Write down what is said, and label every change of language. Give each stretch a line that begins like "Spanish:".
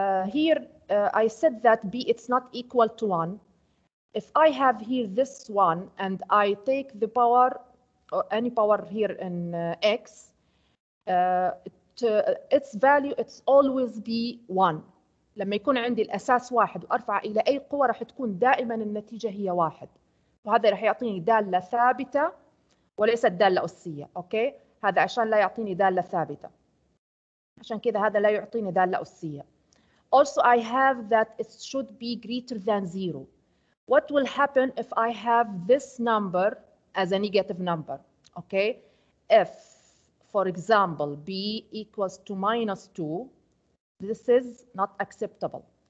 English: Here I said that B it's not equal to one. If I have here this one and I take the power or any power here in X, its value it's always be one.
Arabic: لما يكون عندي الأساس واحد وأرفع إلى أي قوة راح تكون دائما النتيجة هي واحد، وهذا راح يعطيني دالة ثابتة وليس دالة أسية. أوكي، هذا عشان لا يعطيني دالة ثابتة، عشان كذا هذا لا يعطيني دالة أسية.
English: Also I have that it should be greater than zero. What will happen if I have this number as a negative number? Okay, if for example b equals to minus two, this is not acceptable.